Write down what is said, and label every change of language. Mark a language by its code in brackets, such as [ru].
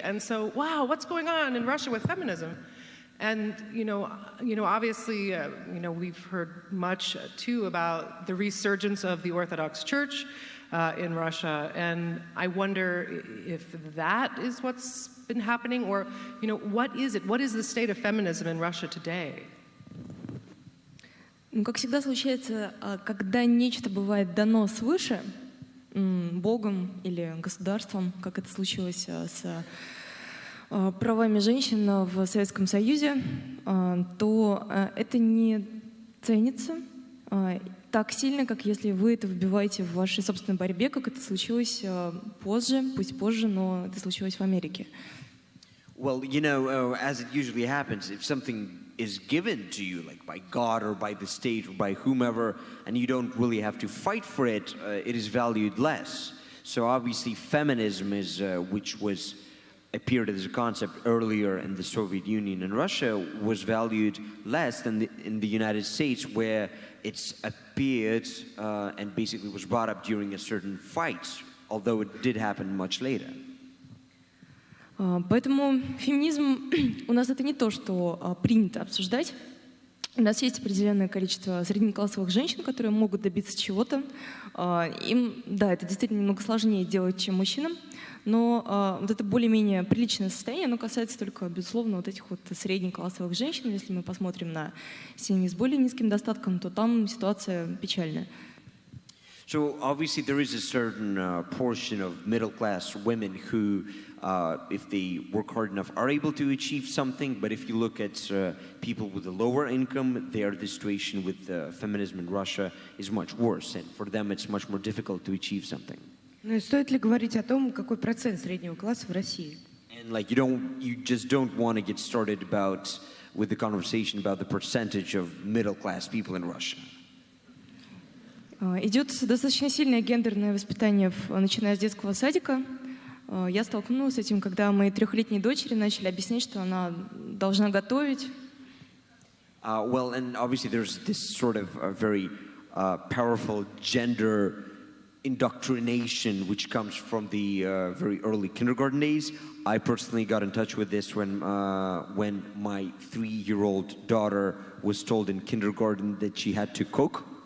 [en] And so, wow, what's going on in Russia with feminism? And, you know, obviously, you know, we've heard much, too, about the resurgence of the Orthodox Church, in Russia, and I wonder if that is what's been happening, or, you know, what is it? What is the state of feminism in Russia today? [ru] Ну, как всегда случается, когда нечто бывает дано свыше, Богом или государством, как это случилось с правами женщин в Советском Союзе, то это не ценится так сильно, как если вы это вбиваете в вашей собственной борьбе, как это случилось позже, пусть позже, но это случилось в Америке. [en] Well, you know, as it usually happens, if something is given to you, like by God or by the state or by whomever, and you don't really have to fight for it, it is valued less. So obviously feminism is, which was appeared as a concept earlier in the Soviet Union and Russia, was valued less than in the United States, where it's appeared and basically was brought up during a certain fight, although it did happen much later. [ru] Поэтому феминизм у нас это не то, что принято обсуждать. У нас есть определенное количество среднеклассовых женщин, которые могут добиться чего-то. Им, да, это действительно немного сложнее делать, чем мужчинам. Но вот это более-менее приличное состояние, оно касается только, безусловно, вот этих вот среднеклассовых женщин. Если мы посмотрим на семьи с более низким достатком, то там ситуация печальная. [en] So obviously there is a certain portion of middle-class women who, if they work hard enough, are able to achieve something. But if you look at people with a lower income, their situation with feminism in Russia is much worse, and for them it's much more difficult to achieve something. [ru] Ну и стоит ли говорить о том, какой процент среднего класса в России? [en] And like you just don't want to get started about with the conversation about the percentage of middle-class people in Russia. [ru] Идет достаточно сильное гендерное воспитание, начиная с детского садика. Я столкнулась с этим, когда мои трехлетние дочери начали объяснять, что она должна готовить. [en] Well, and obviously there's this sort of a very powerful gender indoctrination, which comes from the very early kindergarten days. I personally got in touch with this when my three-year-old daughter was told in kindergarten that she had to cook.